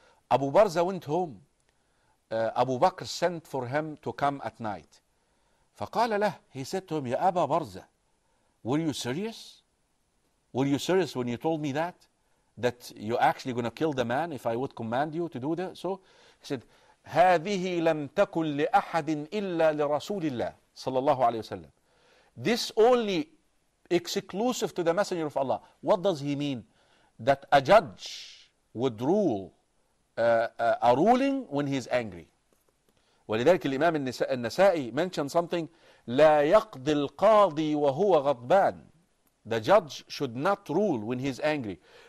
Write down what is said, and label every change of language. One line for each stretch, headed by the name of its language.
English: Abu Barza went home. Abu Bakr sent for him to come at night. فَقَالَ لَهُ He said to him, Ya Abu Barza, were you serious? Were you serious when you told me that? That you're actually going to kill the man if I would command you to do that? So
Arabic: He said, هذه لم تكن لأحد إلا لرسول الله صلى الله عليه وسلم.
English: This only exclusive to the messenger of Allah. What does he mean? That a judge would rule a ruling when he is angry.
Arabic: ولذلك الإمام النسائي mentioned something, لا يقضي القاضي وهو غضبان.
English: The judge should not rule when he is angry.